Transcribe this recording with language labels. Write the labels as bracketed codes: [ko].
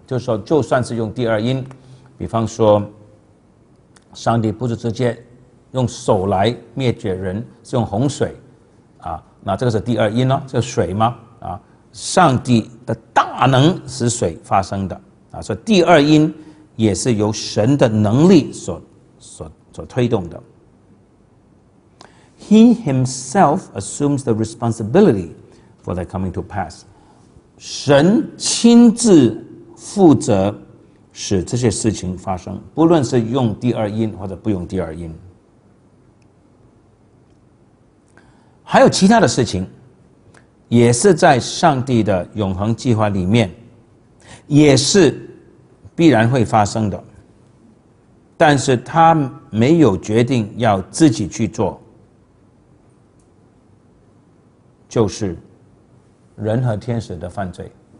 [zh] 就是说就算是用第二因，比方说上帝不是直接用手来灭绝人，是用洪水啊，那这个是第二因呢，这个水吗啊，上帝的大能使水发生的啊，所以第二因也是由神的能力所推动的。 [en] He himself assumes the responsibility for that coming to pass. [zh] 神亲自负责使这些事情发生，不论是用第二因或者不用第二因。还有其他的事情，也是在上帝的永恒计划里面，也是必然会发生的，但是他没有决定要自己去做，就是人和天使的犯罪。